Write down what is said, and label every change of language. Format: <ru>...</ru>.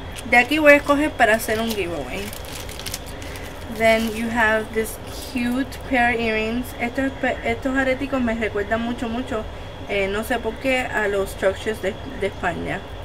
<es>De aquí voy a escoger para hacer un giveaway.</es> <en>Then you have this cute pair of earrings.</en> <es>Estos areticos me recuerdan mucho, no sé por qué, a los structures de España.</es>